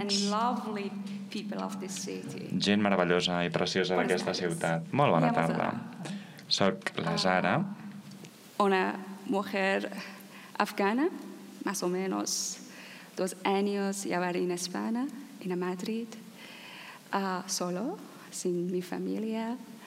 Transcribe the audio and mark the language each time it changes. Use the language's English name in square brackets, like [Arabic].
[English] And lovely people of this city. [Catalan] Gent meravellosa i preciosa d'aquesta ciutat. Molt bona tarda. Soc la Zara. [Spanish] Una mujer afgana, más o menos 2 años llevar en España, en Madrid, solo, sin mi familia.